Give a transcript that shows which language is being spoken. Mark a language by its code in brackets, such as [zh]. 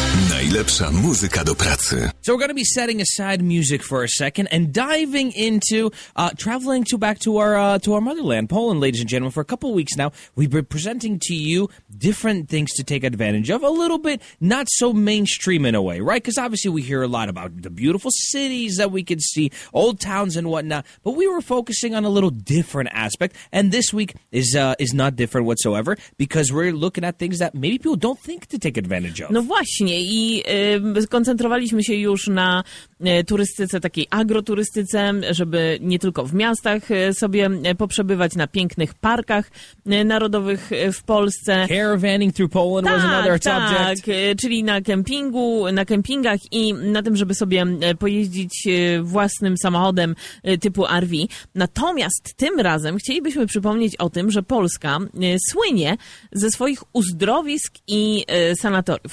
[pl] Najlepsza muzyka do pracy. [en] So we're going to be setting aside music for a second and diving into traveling to back to our motherland, Poland, ladies and gentlemen. For a couple of weeks now, we've been presenting to you different things to take advantage of, a little bit not so mainstream in a way, right? Because obviously we hear a lot about the beautiful cities that we can see, old towns and whatnot, but we were focusing on a little different aspect, and this week is not different whatsoever, because we're looking at things that maybe people don't think to take advantage of. [pl] No właśnie, i skoncentrowaliśmy się już na turystyce, takiej agroturystyce, żeby nie tylko w miastach sobie poprzebywać, na pięknych parkach narodowych w Polsce. [en] Caravanning through Poland was another subject. [pl] Tak, czyli na kempingu, na kempingach i na tym, żeby sobie pojeździć własnym samochodem typu RV. Natomiast tym razem chcielibyśmy przypomnieć o tym, że Polska słynie ze swoich uzdrowisk i sanatoriów.